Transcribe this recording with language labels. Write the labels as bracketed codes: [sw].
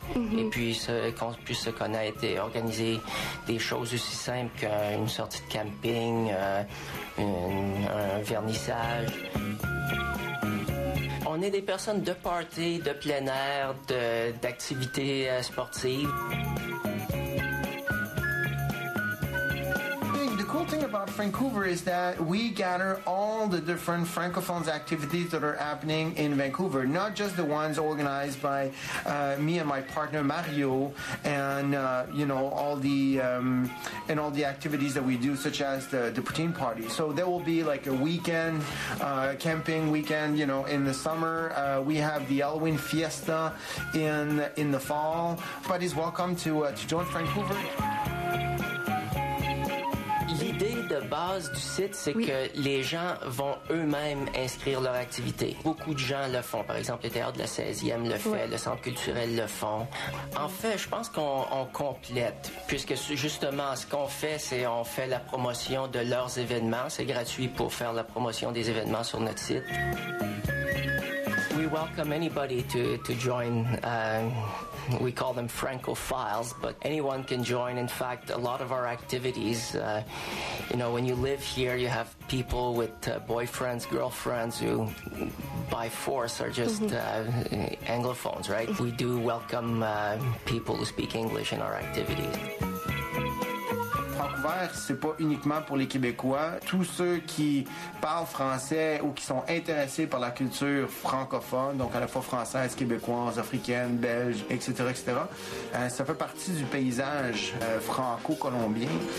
[fr] Mm-hmm. Et puis, qu'on puisse se connaître et organiser des choses aussi simples qu'une sortie de camping, un vernissage. On est des personnes de party, de plein air, d'activités sportives. [en] Thing about Vancouver is that we gather all the different francophone activities that are happening in Vancouver, not just the ones organized by me and my partner Mario, and you know, all the activities that we do, such as the poutine party. So there will be like a weekend camping weekend, you know, in the summer. We have the Halloween fiesta in the fall. Everybody's welcome to join Vancouver. [fr] L'idée de base du site, c'est que les gens vont eux-mêmes inscrire leur activité. Beaucoup de gens le font. Par exemple, le Théâtre de la 16e le fait, le Centre culturel le font. En fait, je pense qu'on complète, puisque justement, ce qu'on fait, c'est qu'on fait la promotion de leurs événements. C'est gratuit pour faire la promotion des événements sur notre site. [en] We welcome anybody to join. We call them Francophiles, but anyone can join. In fact, a lot of our activities, you know, when you live here, you have people with boyfriends, girlfriends who by force are just Anglophones, right? We do welcome people who speak English in our activities. [fr] Francouvert, c'est pas uniquement pour les Québécois. Tous ceux qui parlent français ou qui sont intéressés par la culture francophone, donc à la fois française, québécoise, africaine, belge, etc., etc., ça fait partie du paysage franco-colombien.